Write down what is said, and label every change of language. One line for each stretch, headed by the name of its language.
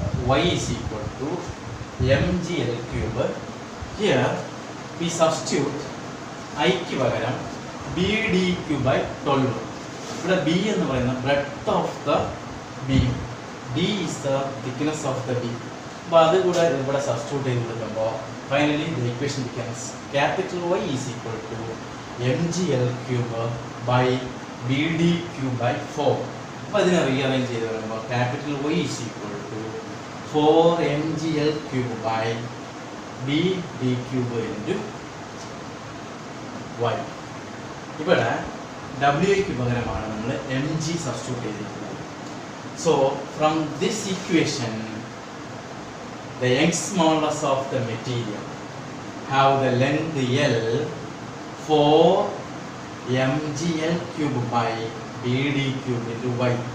English: Y is equal to MgL³ Here, we substitute I
Malayalam: ക്ക് പകരം
English: BD³/12
Malayalam: ഇവിടെ B എന്ന് പറയുന്ന
English: breadth of the beam D is the thickness of the beam
Malayalam: അപ്പോൾ അത് കൂടെ ഇവിടെ സബ്സ്റ്റിറ്റ്യൂട്ട് ചെയ്ത് കൊടുക്കുമ്പോൾ
English: finally the equation becomes capital Y is equal to MgL³/BD³/4
Malayalam: അപ്പോൾ അതിനെ റീഅറേഞ്ച് ചെയ്ത് വരുമ്പോൾ
English: Capital Y is equal to 4 mgl cube by b d cube into y.
Malayalam: ഇവിടെ w ക്ക് പകരമാണ് നമ്മൾ mg സബ്സ്റ്റിറ്റ്യൂട്ട് ചെയ്തിരിക്കുന്നത്.
English: So from this equation the Young's modulus of the material have the length L 4 mgl cube by B D cube into Y.